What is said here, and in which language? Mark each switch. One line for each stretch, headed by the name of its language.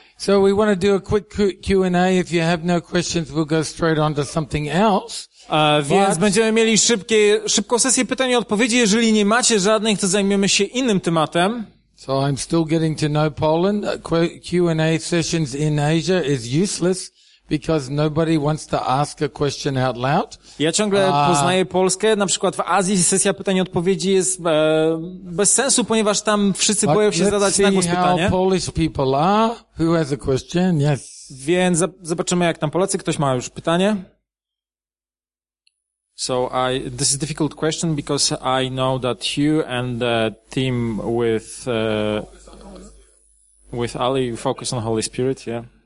English: So we want to do a quick Q&A. If you have no questions, we'll go straight on to something else.
Polish: Więc będziemy mieli szybką sesję pytań i odpowiedzi. Jeżeli nie macie żadnych, to zajmiemy się innym tematem.
English: So I'm still getting to know Poland. Q&A sessions in Asia is useless because nobody wants to ask a question out loud.
Polish: Ja ciągle poznaję Polskę. Na przykład w Azji sesja pytań i odpowiedzi jest bez sensu, ponieważ tam wszyscy boją się zadać na głos pytanie.
English: How Polish people are. Who has a question? Yes.
Polish: Więc zobaczymy, jak tam Polacy. Ktoś ma już pytanie?
English: So this is a difficult question because I know that you and the team with Ali, you focus on Holy Spirit, yeah.